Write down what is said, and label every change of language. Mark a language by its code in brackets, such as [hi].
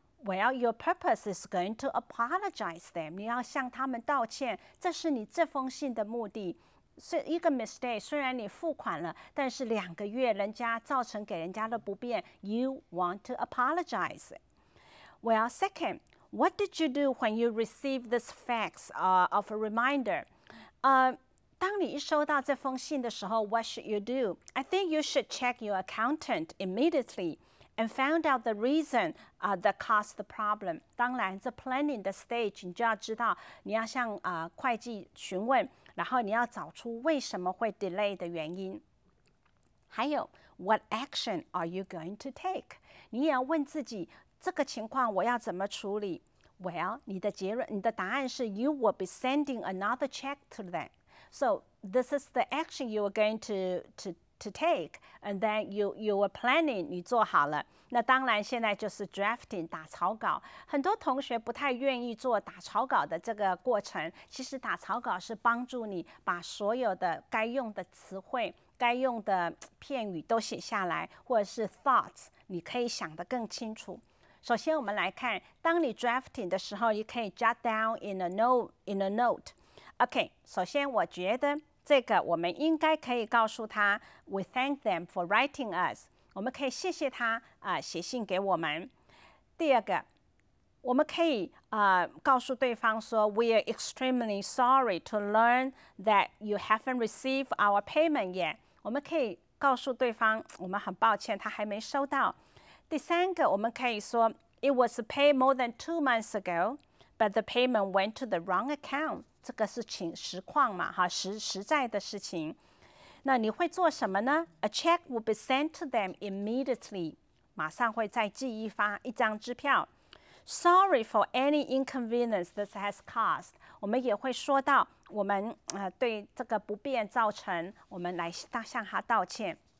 [en] Well, your purpose is going to apologize them. [zh] 你要向他们道歉，这是你这封信的目的。是一个 mistake， 虽然你付款了，但是两个月人家造成给人家的不便， [en] you want to apologize. Well, second, what did you do when you received this fax of a reminder? [zh] 当你一收到这封信的时候， [en] what should you do? I think you should check your accountant immediately and found out the reason that caused the problem. [zh] 当然这 planning 的 stage 你就要知道你要向会计询问，然后你要找出为什么会 delay 的原因。还有 [en] what action are you going to take? [zh] 你也要问自己这个情况我要怎么处理。 Well, 你的结论，你的答案是 [en] you will be sending another check to them. So this is the action you are going to take, and then you were planning, [zh] 你做好了。那当然现在就是 [en] drafting, [zh] 打草稿。很多同学不太愿意做打草稿的这个过程，其实打草稿是帮助你把所有的该用的词汇、该用的片语都写下来，或者是 thoughts, 你可以想得更清楚。首先我们来看，当你 drafting 的时候，你可以 [en] jot down in a note. [zh] OK, 首先我觉得这个我们应该可以告诉他 [en] We thank them for writing us. [zh] 我们可以谢谢他写信给我们。第二个，我们可以告诉对方说 [en] We are extremely sorry to learn that you haven't received our payment yet. [zh] 我们可以告诉对方我们很抱歉他还没收到。第三个，我们可以说 [en] It was paid more than 2 months ago, but the payment went to the wrong account. [zh] 这个是情实况嘛，哈，实在的事情。那你会做什么呢 ？ [en] A check will be sent to them immediately， [zh] 马上会再寄一张支票。 [en] Sorry for any inconvenience this has caused， [zh] 我们也会说到我们对这个不便造成，我们来向他道歉。